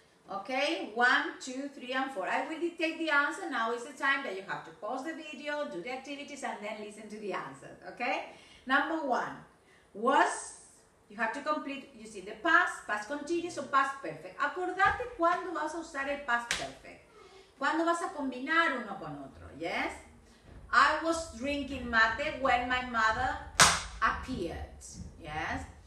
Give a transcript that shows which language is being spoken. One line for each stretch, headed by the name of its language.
English: Okay, 1, 2, 3, and 4. I will dictate the answer. Now is the time that you have to pause the video, do the activities, and then listen to the answer, okay? Number 1, was, you have to complete using the past, past continuous or past perfect.
Spanish: Acordate cuando vas a usar el past perfect. Cuando vas a combinar uno con otro, yes?
English: I was drinking mate when my mother appeared, yes?